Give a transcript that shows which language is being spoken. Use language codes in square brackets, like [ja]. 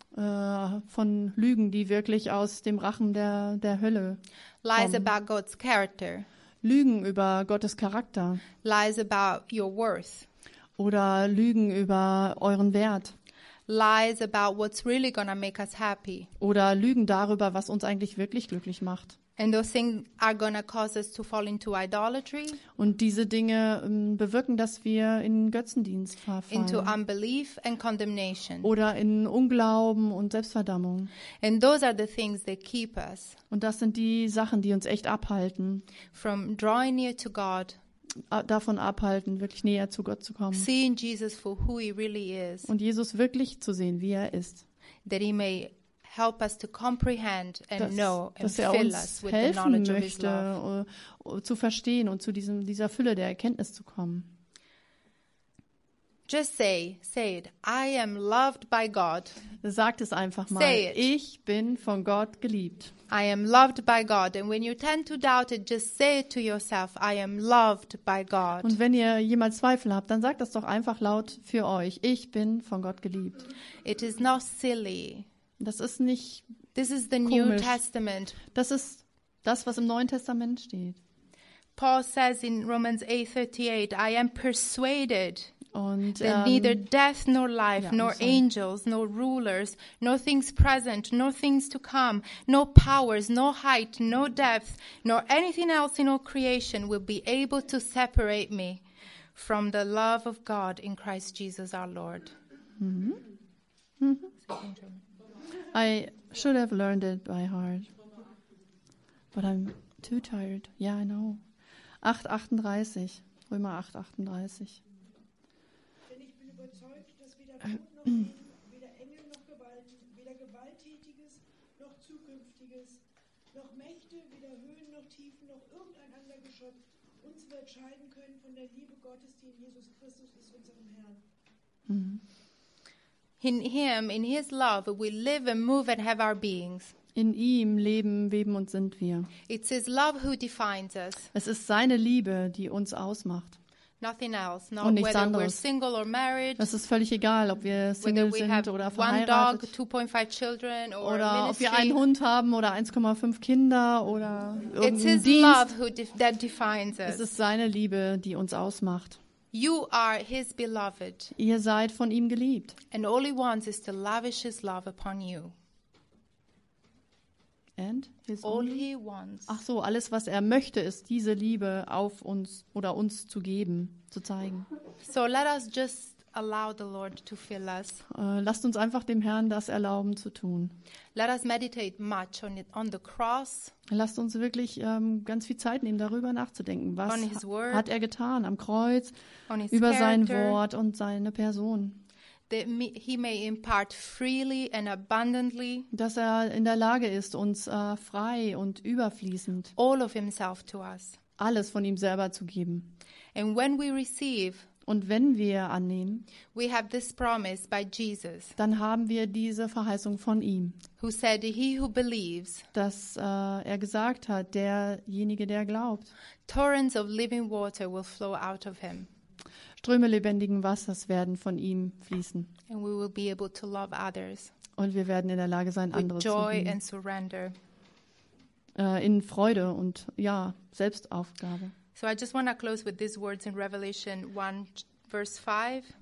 [de] Von Lügen, die wirklich aus dem Rachen der Hölle kommen. [en] Lies about God's character. [de] Lügen über Gottes Charakter. [en] Lies about your worth. [de] Oder Lügen über euren Wert. [en] Lies about what's really gonna make us happy. [de] Oder Lügen darüber, was uns eigentlich wirklich glücklich macht. [en] And those things are gonna cause us to fall into idolatry. [de] Und diese Dinge bewirken, dass wir in Götzendienst verfallen. [en] Into unbelief and condemnation. [de] Oder in Unglauben und Selbstverdammung. [en] And those are the things that keep us. [de] Und das sind die Sachen, die uns echt abhalten. [en] From drawing near to God. [de] Davon abhalten, wirklich näher zu Gott zu kommen. [en] Seeing Jesus for who he really is. [de] Und Jesus wirklich zu sehen, wie er ist. [en] That he may help us to comprehend and know and fill us with the knowledge of his love. [de] Dass er uns helfen möchte, zu verstehen und zu dieser Fülle der Erkenntnis zu kommen. [en] Just say it. I am loved by God. [de] Sagt es einfach mal. [en] Say it. [de] Ich bin von Gott geliebt. [en] I am loved by God. And when you tend to doubt it, just say it to yourself. I am loved by God. [de] Und wenn ihr jemals Zweifel habt, dann sagt das doch einfach laut für euch. Ich bin von Gott geliebt. [en] It is not silly. [de] Das ist nicht komisch. [en] This is the New Testament. [de] Das ist das, was im Neuen Testament steht. [en] Paul says in Romans 8:38, I am persuaded. [de] Und, [en] that neither death nor life, ja, nor angels, nor rulers, nor things present, nor things to come, nor powers, nor height, nor depth, nor anything else in all creation will be able to separate me from the love of God in Christ Jesus our Lord. I should have learned it by heart, but I'm too tired. Yeah, I know. 8:38, Römer 8:38. [de] Weder Engel noch Gewalten, weder Gewalttätiges noch Zukünftiges, noch Mächte, weder Höhen noch Tiefen, noch irgendein anderer Geschöpf uns unterscheiden können von der Liebe Gottes, die in Jesus Christus ist, unserem Herrn. [en] In him, in his love, we live and move and have our beings. [de] In ihm leben, weben und sind wir. [en] It's his love who defines us. [de] Es ist seine Liebe, die uns ausmacht. [en] Nothing else, not whether [de] anderes. [en] We're single or married. [de] Das ist völlig egal, ob wir Single [en] whether [de] sind oder verheiratet. [en] Dog, 2.5 children or [de] oder [en] ministry. [de] Ob wir einen Hund haben oder 1,5 Kinder oder irgendeinen [en] It's his [de] Dienst. [en] Love who that defines us. [de] Es ist seine Liebe, die uns ausmacht. [en] You are his beloved. [de] Ihr seid von ihm geliebt. [en] And all he wants is to lavish his love upon you. And his all he wants. [de] Ach so, alles, was er möchte, ist diese Liebe auf uns oder uns zu geben, zu zeigen. [en] So let us just allow the Lord to fill us. [de] Lasst uns einfach dem Herrn das erlauben zu tun. [en] Let us meditate much on it, on the cross. [de] Lasst uns wirklich ganz viel Zeit nehmen, darüber nachzudenken. Was [en] on his word, [de] hat er getan am Kreuz, [en] on his [de] über [en] character, [de] sein Wort und seine Person? [en] That he may impart freely and abundantly, [de] dass er in der Lage ist, uns frei und überfließend [en] all of himself to us. [de] Alles von ihm selber zu geben. [en] And when we receive, [de] und wenn wir annehmen, [en] we have this promise by Jesus, [de] dann haben wir diese Verheißung von ihm, [en] who said, he who believes, [de] dass er gesagt hat, derjenige, der glaubt, [en] torrents of living water will flow out of him. [de] Ströme lebendigen Wassers werden von ihm fließen. [en] And we will be able to love others. [de] Und wir werden in der Lage sein, [en] with [de] andere [en] joy [de] zu lieben. [en] And surrender. [de] In Freude und ja, Selbstaufgabe. [en] So I just want to close with these words in Revelation 1, verse 5.